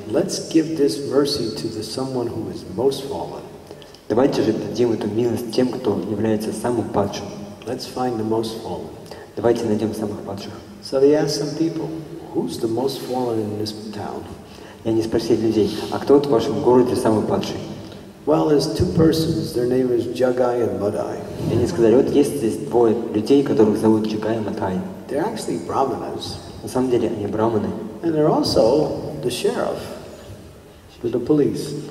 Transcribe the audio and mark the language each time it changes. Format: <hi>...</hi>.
<en>Let's give this mercy to the someone who is most fallen.</en> <ru>Давайте же дадим эту милость тем, кто является самым падшим.</ru> <en>Let's find the most fallen.</en> <ru>Давайте найдем самых падших.</ru> <en>So they asked some people, who's the most fallen in this town?</en> <ru>И они спросили людей, а кто вот в вашем городе самый падший?</ru> <en>Well, there's two persons. Their name is Jagai and Madai.</en> <ru>И они сказали, вот есть здесь двое людей, которых зовут Джагай и Мадай.</ru> <en>They're actually brahmanas.</en> <ru>На самом деле они брахманы.</ru> <en>And they're also the sheriff. With the police.</en>